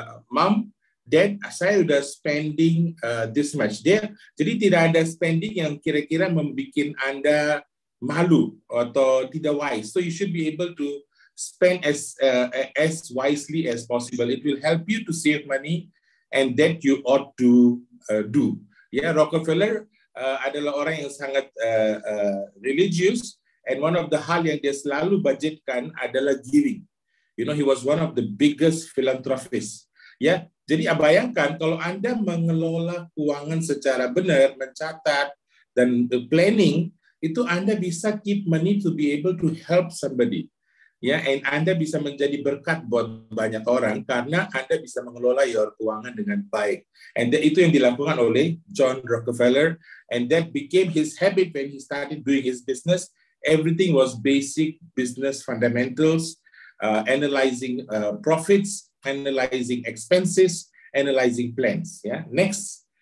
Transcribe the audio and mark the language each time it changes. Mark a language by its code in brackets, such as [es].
[en] Mom, dad, [id] saya sudah [en] spending this much. [id] There, jadi tidak ada spending yang kira-kira membuat anda malu atau tidak wise. [en] So you should be able to spend as wisely as possible. It will help you to save money, and that you ought to do. [id] Yeah, Rockefeller adalah orang yang sangat religious, [en] and one of the [id] hal yang dia selalu budgetkan adalah giving. [en] You know, he was one of the biggest philanthropists. [id] Yeah, jadi bayangkan kalau anda mengelola keuangan secara benar, mencatat dan planning, itu anda bisa [en] keep money to be able to help somebody. [id] Ya, yeah, and anda bisa menjadi berkat buat banyak orang karena anda bisa mengelola your keuangan dengan baik. [en] And [id] itu yang dilakukan oleh [en] John Rockefeller, and that became his habit when he started doing his business. Everything was basic business fundamentals, analyzing profits, analyzing expenses, analyzing plans. Ya, yeah? Next.